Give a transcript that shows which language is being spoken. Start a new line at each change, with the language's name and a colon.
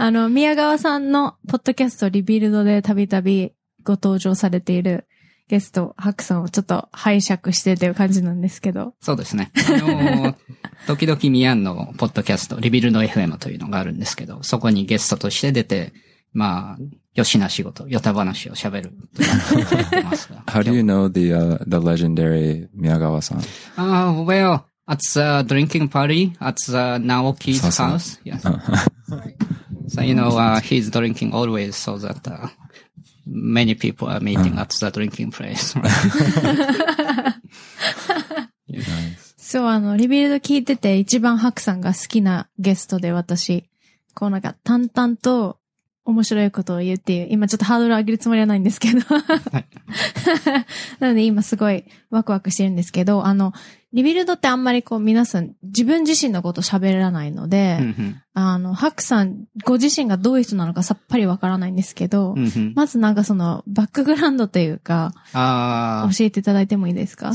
Japanese: あの、宮川さんのポッドキャストリビルドでたびたびご登場されているゲスト、ハクさんをちょっと拝借してという感じなんですけど。そうですね。時々ミヤンのポッドキャスト、リビルド FM というのがあるんですけど、そこにゲストとして出て、まあ、よしな仕事、よた話を喋るというのがあります
English: が。How do you know the legendary 宮川さん？ Well, at the drinking party at the Naoki's house. Yes. So you know, he's drinking always so that, many people are meeting at the drinking place. Right? Nice.
Japanese: そう、あの、リビルド聞いてて一番ハクさんが好きなゲストで私、こうなんか淡々と面白いことを言うっていう、今ちょっとハードル上げるつもりはないんですけど、はい。なので今すごいワクワクしてるんですけど、あの、リビルドってあんまりこう皆さん自分自身のこと喋らないので、うんうん、あの、ハクさんご自身がどういう人なのかさっぱりわからないんですけど、うんうん、まずなんかそのバックグラウンドというか、教えていただいてもいいですか？